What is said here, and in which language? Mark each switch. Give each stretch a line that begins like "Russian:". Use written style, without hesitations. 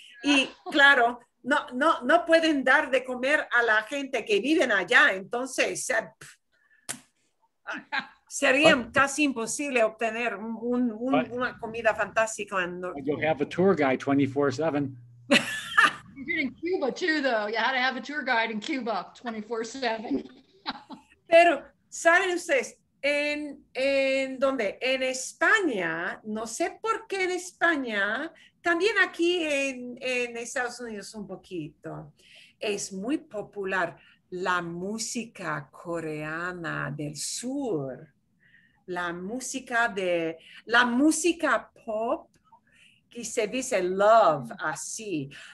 Spanish: Y claro, no pueden dar de comer a la gente que viven allá, entonces sería casi imposible obtener una comida fantástica.
English: You'll have a tour guide 24/7. You're in Cuba too, though. You had to have a tour guide in Cuba 24/7.
Spanish: Pero, ¿saben ustedes? ¿En dónde? En España, no sé por qué en España, también aquí en Estados Unidos un poquito, es muy popular la música coreana del sur, la música pop, que se dice love, así.